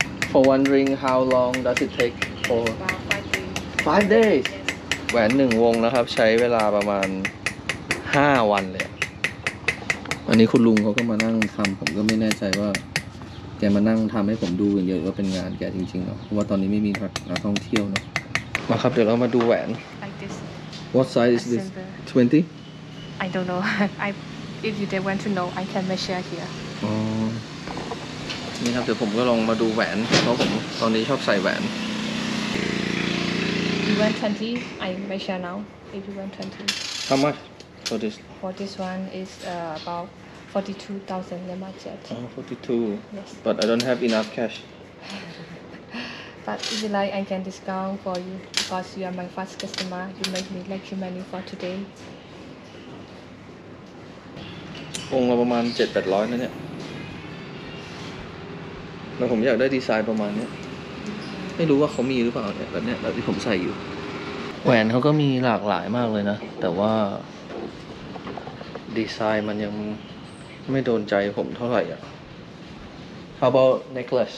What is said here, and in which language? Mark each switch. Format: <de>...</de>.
<en>for one ring how long does it take for five days</en> <th>แหวนหนึ่งวงนะครับใช้เวลาประมาณ5 วันเลย อันนี้คุณลุงเขาก็มานั่งทำผมก็ไม่แน่ใจว่าแกมานั่งทำให้ผมดูอย่างเดียวว่าเป็นงานแกจริงๆเนาะเพราะว่าตอนนี้ไม่มีนักท่องเที่ยวเนาะ มาครับเดี๋ยวเรามาดูแหวน</th> <en>What size is this 20 I don't know if you don't want to know I can measure here</en> <th>อ๋อ นี่ครับเดี๋ยวผมก็ลองมาดูแหวนเพราะผมตอนนี้ชอบใส่แหวน</th> <en>You want 20 I measure now if you want 20 How much for this For this one is about 42,000 lema jet. Oh, 42. Yes. But I don't have enough cash. But if you like, I can discount for you because you are my first customer. You make me like your money for today.</en> <th>องค์ละประมาณ 7-800 นะเนี่ยแล้วผมอยากได้ดีไซน์ประมาณเนี้ยไม่รู้ว่าเขามีหรือเปล่าเนี่ยแบบเนี้ยแบบที่ผมใส่อยู่แหวนเขาก็มีหลากหลายมากเลยนะแต่ว่าดีไซน์มันยังไม่โดนใจผมเท่าไหร่อ่ะ</th> <en>How about necklace?</en>